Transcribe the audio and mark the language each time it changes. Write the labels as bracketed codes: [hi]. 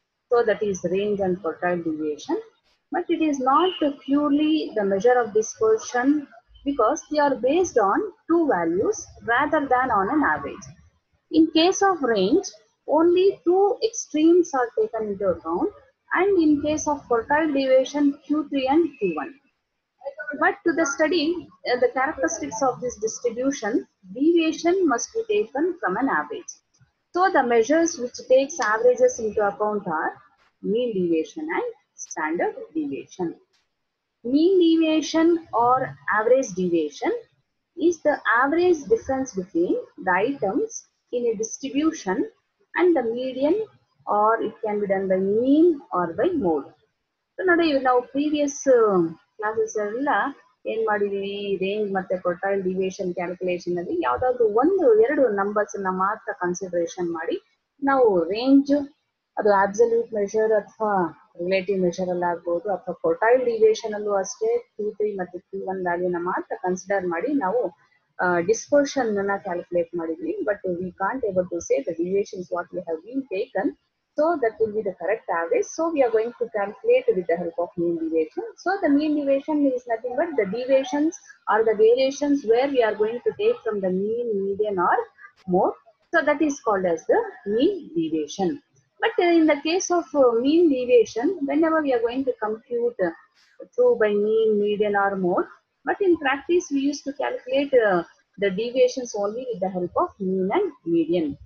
[en] So that is range and quartile deviation. But it is not purely the measure of discussion, because they are based on two values rather than on an average. In case of range, only two extremes are taken in to account, and in case of quartile deviation Q3 and Q1. But to the study, the characteristics of this distribution, deviation must be taken from an average. So the measures which takes averages into account are mean deviation and standard deviation. Mean deviation or average deviation is the average difference between the items in a distribution and the median, or it can be done by mean or by mode. So now previous [kn] classes ಎಲ್ಲ ಏನ್ ಮಾಡಿದೀವಿ, range ಮತ್ತೆ quartile deviation calculation ಅಲ್ಲಿ ಯಾವ್ದಾದ್ರು ಒಂದು ಎರಡು numbers ನ ಮಾತ್ರ ಕನ್ಸಿಡರೇಷನ್ ಮಾಡಿ ನಾವು ರೇಂಜ್, ಅದು ಅಬ್ಸಲ್ಯೂಟ್ ಮೆಷರ್ ಅಥವಾ ರಿಲೇಟಿವ್ ಮೆಷರ್ ಅಲ್ಲಿ ಆಗ್ಬಹುದು, ಅಥವಾ ಕ್ವಾರ್ಟೈಲ್ ಡಿವಿಯೇಷನ್ ಅಲ್ಲೂ ಅಷ್ಟೇ Q3 ಮತ್ತೆ Q1 ವ್ಯಾಲ್ಯೂನ ಮಾತ್ರ ಕನ್ಸಿಡರ್ ಮಾಡಿ ನಾವು ಡಿಸ್ಪರ್ಷನ್ ಅನ್ನ ಕ್ಯಾಲ್ಕುಲೇಟ್ ಮಾಡಿದ್ವಿ. [en] But we can't able to say the deviation what we have been taken. So that will be the correct average. So we are going to calculate with the help of mean deviation. So the mean deviation is nothing but the deviations or the variations where we are going to take from the mean, median or mode. So that is called as the mean deviation. But in the case of mean deviation, whenever we are going to compute through by mean, median or mode, but in practice we used to calculate the deviations only with the help of mean and median.